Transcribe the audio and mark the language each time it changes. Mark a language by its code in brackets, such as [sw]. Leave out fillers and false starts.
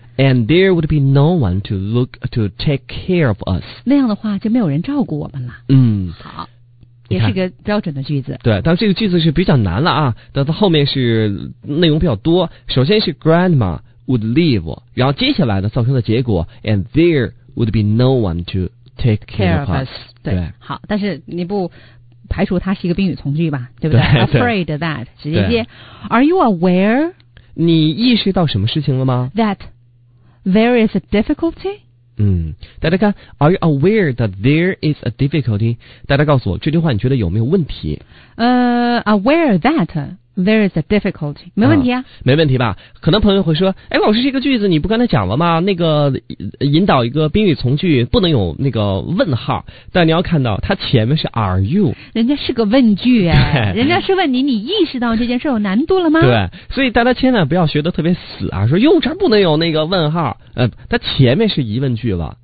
[en] And there would be no one to look to take care of us. [zh] 那样的话就没有人照顾我们了。嗯，好，也是一个标准的句子。对，但这个句子是比较难了啊。但它后面是内容比较多。首先是 [en] grandma would leave， [zh] 然后接下来呢造成的结果 ， [en] and there would be no one to take care of us。 [zh] 对，好，但是你不排除它是一个宾语从句吧？对不对, [en] 对 ？Afraid that， [zh] 直接接。 [en] Are you aware？ [zh] 你意识到什么事情了吗 [en] ？That。 There is a difficulty? [zh] 嗯，大家看 [en] ,are you aware that there is a difficulty? [zh] 大家告诉我这句话你觉得有没有问题？ [en] Aware that there is a difficulty, [zh] 没问题 啊, 啊。没问题吧，可能朋友会说，哎，老师这个句子你不刚才讲了吗，那个引导一个宾语从句不能有那个问号，但你要看到它前面是 are you。人家是个问句，哎，人家是问你，你意识到这件事有难度了吗？对，所以大家千万不要学得特别死啊，说哟这不能有那个问号，它前面是疑问句了。